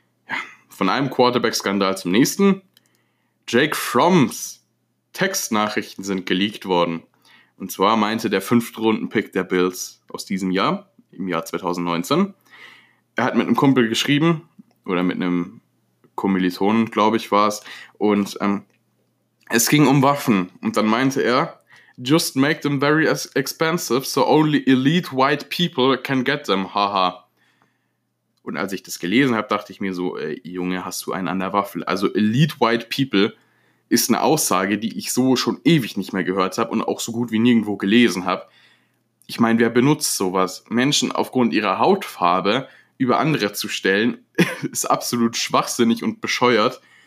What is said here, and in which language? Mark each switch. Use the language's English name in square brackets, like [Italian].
[German] Ja, von einem Quarterback-Skandal zum nächsten. Jake Fromms Textnachrichten sind geleakt worden. Und zwar meinte der 5. Runden-Pick der Bills aus diesem Jahr, im Jahr 2019, er hat mit einem Kumpel geschrieben, oder mit einem Kommilitonen, glaube ich, war es, und es ging um Waffen. Und dann meinte er, [English] just make them very expensive, so only elite white people can get them, haha. [German] Und als ich das gelesen habe, dachte ich mir so, Junge, hast du einen an der Waffel? Also [English] elite white people [German] ist eine Aussage, die ich so schon ewig nicht mehr gehört habe und auch so gut wie nirgendwo gelesen habe. Ich meine, wer benutzt sowas? Menschen aufgrund ihrer Hautfarbe über andere zu stellen, ist absolut schwachsinnig und bescheuert.